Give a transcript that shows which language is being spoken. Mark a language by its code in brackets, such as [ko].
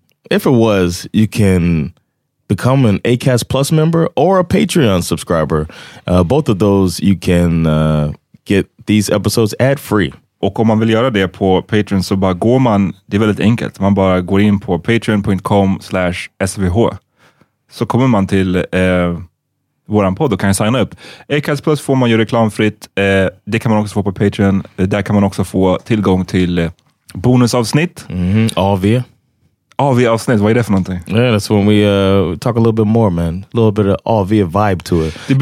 [en] If it was, you can become an Acast Plus member or a Patreon subscriber. Both of those, you can get these episodes ad-free. [sv] Och om man vill göra det på Patreon så bara går man, det är väldigt enkelt, man bara går in på patreon.com/svh, så kommer man till våran podd och kan signa upp. Acast Plus får man ju reklamfritt, det kan man också få på Patreon, där kan man också få tillgång till bonusavsnitt. AV-avsnitt, vad är det för någonting? [en] Yeah, that's when we talk a little bit more, man. A little bit of AV vibe to it.